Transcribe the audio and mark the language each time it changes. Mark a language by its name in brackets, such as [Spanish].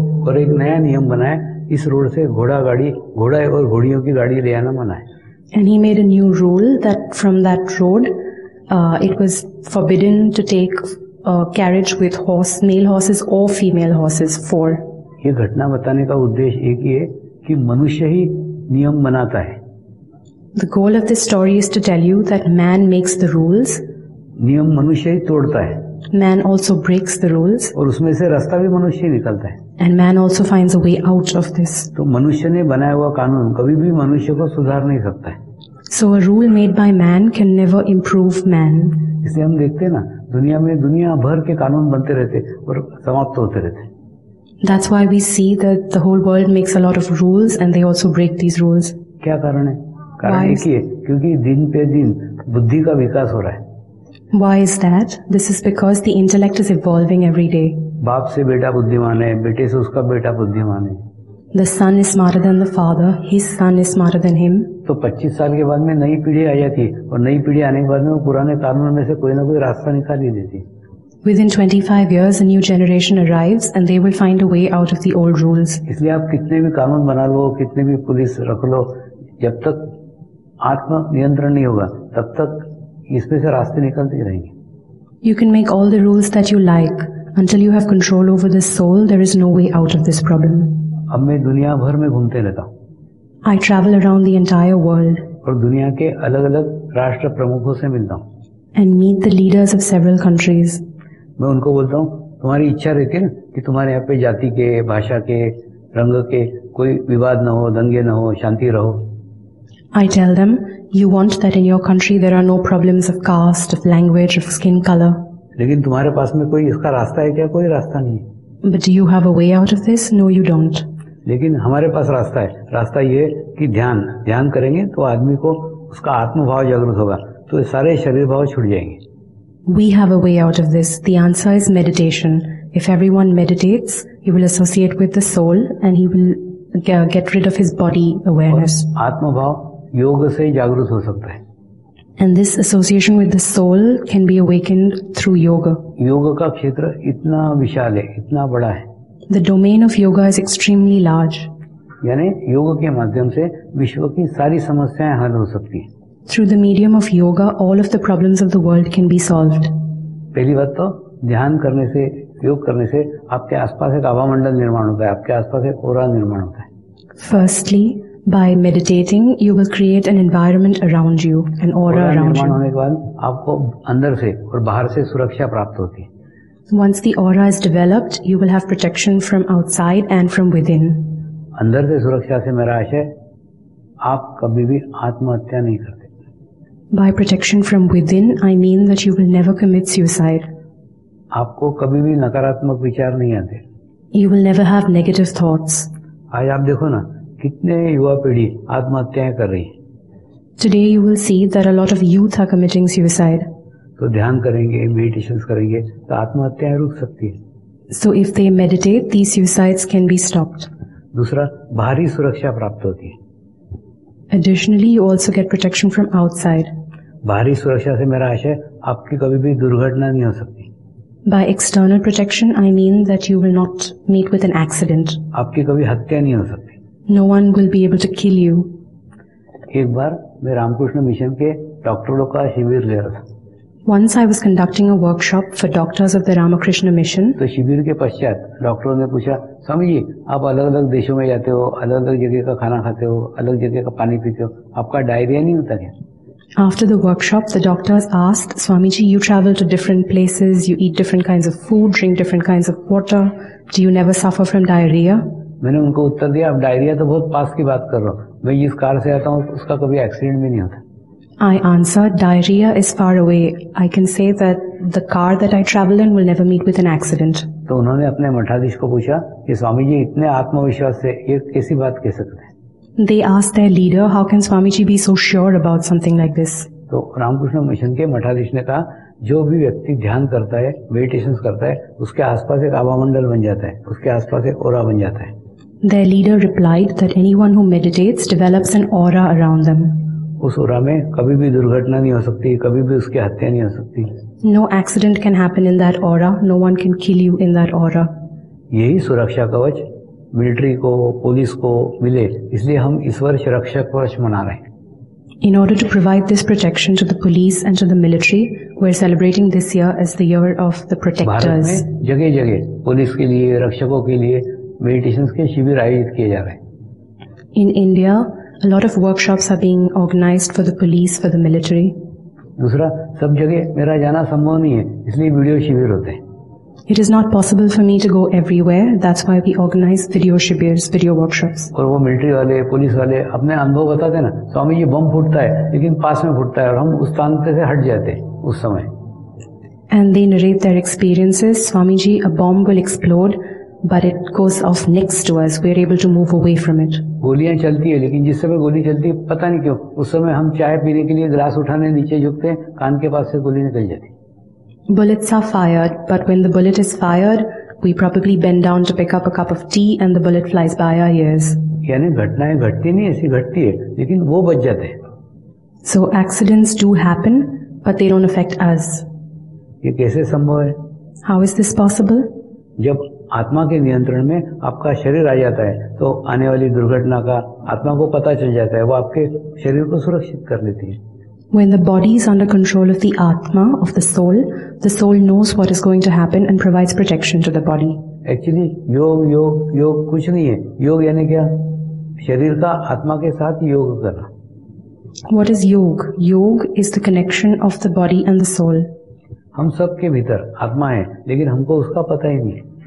[Hindi] और एक नया नियम बनाया इस रोड से घोड़ा गाड़ी घोड़ा और घोड़ियों की गाड़ी ले आना मना है। [English] And he made a new rule that from that road it was forbidden to take a carriage with horse male horses और female horses for. [Hindi] ये घटना बताने का उद्देश्य एक ही है कि मनुष्य ही नियम बनाता है। [English] The goal of this story is to tell you that man makes the rules. [Hindi] नियम मनुष्य ही तोड़ता है. [English] Man also breaks the rules. [Hindi] और उसमें से रास्ता भी मनुष्य ही निकलता है. [English] And man also finds a way out of this. [Hindi] तो मनुष्य ने बनाया हुआ कानून कभी भी मनुष्य को सुधार नहीं सकता है. [English] So a rule made by man can never improve man. [Hindi] इसे हम देखते हैं ना, दुनिया में दुनिया भर के कानून बनते रहते और समाप्त होते रहते. [English] That's why we see that the whole world makes a lot of rules and they also break these rules. [Hindi] क्या कारण है? कारण एक ही है, क्योंकि दिन पे दिन बुद्धि का विकास हो रहा है. [English] Why is that? This is because the intellect is evolving every day. [Hindi] बाप से बेटा बुद्धिमान है, बेटे से उसका बेटा बुद्धिमान है. [English] The son is smarter than the father. His son is smarter than him. [Hindi] तो 25 साल के बाद में नई पीढ़ी आ जाती है और नई पीढ़ी आने के बाद में वो पुराने कानून में से कोई ना कोई रास्ता निकाल ही देती है. [English] Within 25 years, a new generation arrives and they will find a way out of the old rules. [Hindi] इसलिए आप कितने भी कानून बना लो, कितने भी पुलिस रख लो, जब तक आत्म नियंत्रण नहीं होगा तब तक इसमें से रास्ते निकलते ही रहेंगे. [English] You can make all the rules that you like. Until you have control over the soul, there is no way out of this problem. [Hindi] अब मैं दुनिया भर में घूमते रहता हूँ. [English] I travel around the entire world. [Hindi] और दुनिया के अलग अलग राष्ट्र प्रमुखों से मिलता हूँ. [English] And meet the leaders of several countries. [Hindi] मैं उनको बोलता हूँ, तुम्हारी इच्छा रहती है ना कि तुम्हारे यहाँ पे जाति के, भाषा के, रंग के कोई विवाद न हो, दंगे न हो, शांति रहो. [English] I tell them, you want that in your country there are no problems of caste, of language, of skin color. [Hindi] लेकिन तुम्हारे पास में कोई इसका रास्ता है क्या? कोई रास्ता नहीं. [English] But do you have a way out of this? No, you don't. [Hindi] लेकिन हमारे पास रास्ता है. रास्ता ये कि ध्यान, ध्यान करेंगे तो आदमी को उसका आत्मभाव जागृत होगा तो सारे शरीर भाव छूट जाएंगे. [English] We have a way out of this. The answer is meditation. If everyone meditates, he will associate with the soul and he will get rid of his body awareness. [Hindi] आत्मभाव योग से जागृत हो सकता है. [English] And this association with the soul can be awakened through yoga. [Hindi] योग का क्षेत्र इतना विशाल है, इतना बड़ा है. [English] The domain of yoga is extremely large. [Hindi] यानी योग के माध्यम से विश्व की सारी समस्याएं हल हो सकती हैं. [English] Through the medium of yoga, all of the problems of the world can be solved. [Hindi] पहली बात तो ध्यान करने से, योग करने से आपके आसपास एक हवा मंडल निर्माण होता है, आपके आसपास एक ओरा निर्माण होता है. [English] Firstly, by meditating, you will create an environment around you, an aura around you. [Hindi] निर्माण होने के बाद आपको अंदर से और बाहर से सुरक्षा प्राप्त होती है. [English] Once the aura is developed, you will have protection from outside and from within. [Hindi] अंदर से सुरक्षा से मेरा आशय, आप कभी भी आत्महत्या नहीं करते. [English] By protection from within, I mean that you will never commit suicide. [Hindi] आपको कभी भी नकारात्मक विचार नहीं आते. [English] You will never have negative thoughts. [Hindi] आज आप देखो ना, कितने युवा पीढ़ी आत्महत्याएं कर रही है. [English] Today you will see that a lot of youth are committing suicide. [Hindi] तो ध्यान करेंगे, meditations करेंगे, तो आत्महत्याएं रुक सकती है. [English] So if they meditate, these suicides can be stopped. [Hindi] दूसरा, बाहरी सुरक्षा प्राप्त होती है. [English] Additionally, you also get protection from outside. [Hindi] बाहरी सुरक्षा से मेरा आशय, आपकी कभी भी दुर्घटना नहीं हो सकती. [English] By external protection, I mean that you will not meet with an accident. [Hindi] आपकी कभी हत्या नहीं हो सकती. [English] No one will be able to kill you. [Hindi] एक बार मैं रामकृष्ण मिशन के डॉक्टरों का शिविर ले रहा था. [English] Once I was conducting a workshop for doctors of the Ramakrishna Mission. [Hindi] तो शिविर के पश्चात डॉक्टरों ने पूछा, स्वामी जी आप अलग अलग देशों में जाते हो, अलग अलग जगह का खाना खाते हो, अलग जगह का पानी पीते हो, आपका डायरिया नहीं होता क्या? [English] After the workshop, the doctors asked, Swami ji, you travel to different places, you eat different kinds of food, drink different kinds of water, do you never suffer from diarrhea? [Hindi] मैंने उनको उत्तर दिया, आप diarrhoea तो बहुत पास की बात कर रहे हो, मैं जिस कार से आता हूँ उसका कभी एक्सीडेंट भी नहीं होता. [English] I answered, diarrhea is far away. I can say that the car that I travel in will never meet with an accident. [Hindi] तो उन्होंने अपने मठाधीश को पूछा कि स्वामी जी इतने आत्मविश्वास से ये कैसी बात कह सकते हैं? [English] They asked their leader, how can Swami ji be so sure about something like this? [Hindi] तो रामकृष्ण मिशन के मठाधीश ने कहा, जो भी व्यक्ति ध्यान करता है, meditations करता है, उसके आसपास एक आभामंडल बन जाता है, उसके आसपास एक aura बन जाता है. [English] Their leader replied that anyone who meditates develops an aura around them. [Hindi] उस ओरा में कभी भी दुर्घटना नहीं हो सकती, कभी भी उसकी हत्या नहीं हो सकती. [English] No accident can happen in that aura. No one can kill you in that aura. [Hindi] यही सुरक्षा कवच मिलिट्री को, पुलिस को मिले, इसलिए हम इस वर्ष रक्षा कवच मना रहे हैं. [English] In order to provide this protection to the police and to the military, we are celebrating this year as the year of the protectors. [Hindi] Bharat में जगह जगह पुलिस के लिए, रक्षकों के लिए मेडिटेशन के शिविर आयोजित किए जा रहे हैं. [English] In India, A lot of workshops are being organized for the police, for the military. [Hindi] दूसरा सब जगह मेरा जाना संभव नहीं है इसलिए वीडियो शिविर होते हैं. [English] It is not possible for me to go everywhere. That's why we organize video shibirs, video workshops. [Hindi] और वो मिलिट्री वाले पुलिस वाले अपने अनुभव बताते ना स्वामी जी बम फूटता है लेकिन पास में फूटता है और हम उस स्थान से हट जाते हैं उस समय. [English] And they narrate their experiences. Swamiji, a bomb will explode, but it goes off next to us. We are able to move away from it. [Hindi] गोलियां चलती है लेकिन जिस समय गोली चलती है पता नहीं क्यों उस समय हम चाय पीने के लिए ग्लास उठाने नीचे झुकते हैं कान के पास से गोली निकल जाती. [English] Bullets are fired, but when the bullet is fired, we probably bend down to pick up a cup of tea and the bullet flies by our ears. [Hindi] यानी घटनाएं घटती नहीं ऐसी घटती है लेकिन वो बच जाते हैं. [English] So accidents do happen, but they don't affect us. [Hindi] ये कैसे संभव है? [English] How is this possible? [Hindi] जब आत्मा के नियंत्रण में आपका शरीर आ जाता है तो आने वाली दुर्घटना का आत्मा को पता चल जाता है वो आपके शरीर को सुरक्षित कर लेती है. [English] When the body is under control of the atma, of the soul knows what is going to happen and provides protection to the body. [Hindi] Actually, yog, yog, yog, कुछ नहीं है. Yog यानि क्या? शरीर का आत्मा के साथ योग करना. [English] What is yog? Yog is the connection of the body and the soul. [Hindi] हम सब के भीतर आत्मा है, लेकिन हमको उसका पता ही नहीं.